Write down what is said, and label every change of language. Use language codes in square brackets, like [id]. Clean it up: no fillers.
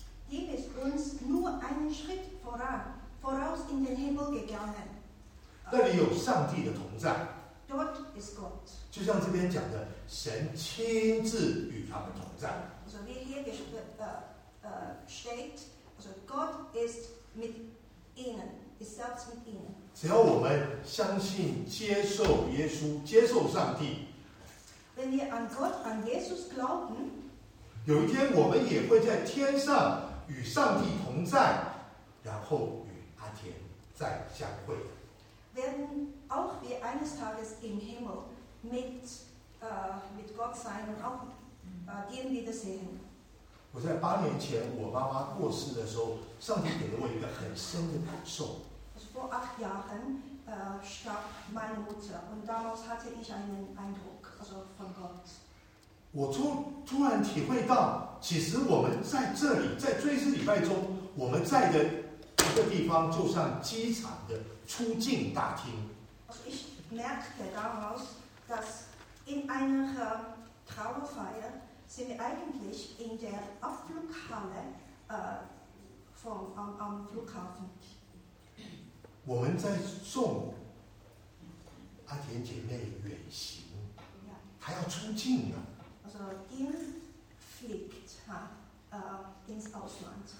[de] Dem ist uns nur einen Schritt voraus in den Himmel gegangen. [zh] 那里有上帝的同在。 [de] Dort ist Gott. [zh] 就像这边讲的，神亲自与他们同在。 [de] So wie hier steht, also Gott ist mit ihnen, ist selbst mit ihnen. [zh] 只要我们相信、接受耶稣、接受上帝。 [de] Wenn wir an Gott, an Jesus glauben, [zh] 有一天我们也会在天上与上帝同在，然后与阿田再相会。 [de] Werden auch wir eines Tages im Himmel mit Gott sein und auch den wiedersehen. [zh] 我在八年前我妈妈过世的时候，上帝给了我一个很深的感受。 [de] Vor acht Jahren starb meine Mutter und damals hatte ich einen Eindruck, also von Gott. [zh] 我突然体会到，其实我们在这里，在追思礼拜中，我们在的一个地方，就像机场的出境大厅。 [de] Also ich merkte damals, dass in einer Trauerfeier sind wir eigentlich in der Abflughalle am Flughafen. [zh] 我们在送阿田姐妹远行，她要出境了。 [de] Also ihn fliegt ins Ausland.